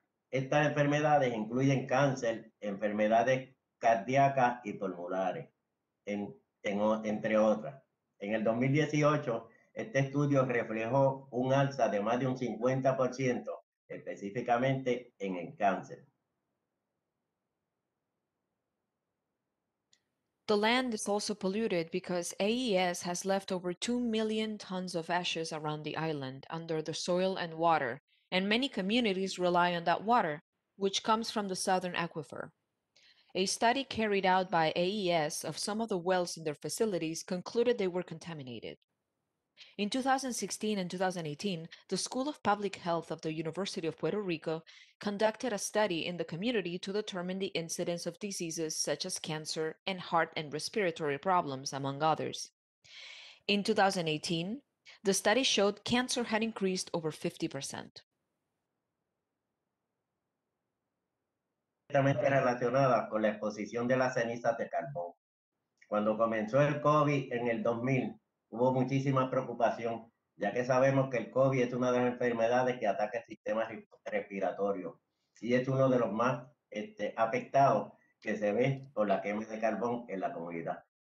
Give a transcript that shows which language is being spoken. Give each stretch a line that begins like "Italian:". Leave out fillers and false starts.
Spanish: Estas enfermedades incluyen cáncer, enfermedades cardíacas y pulmonares, entre otras. En el 2018, este estudio reflejó un alza de más de un 50%, específicamente en el cáncer.
English: The land is also polluted because AES has left over 2 million tons of ashes around the island under the soil and water, and many communities rely on that water, which comes from the southern aquifer. A study carried out by AES of some of the wells in their facilities concluded they were contaminated. In 2016 and 2018, the School of Public Health of the University of Puerto Rico conducted a study in the community to determine the incidence of diseases such as cancer and heart and respiratory problems, among others. In 2018, the study showed cancer had increased over 50%.
Spanish: Directamente relacionada con la exposición de las cenizas de carbón. Cuando comenzó el COVID en el 2000, hubo muchísima preocupación, ya que sabemos que el COVID es una de las enfermedades que ataca el sistema respiratorio y es uno de los más afectados que se ve por la quema de carbón en la comunidad.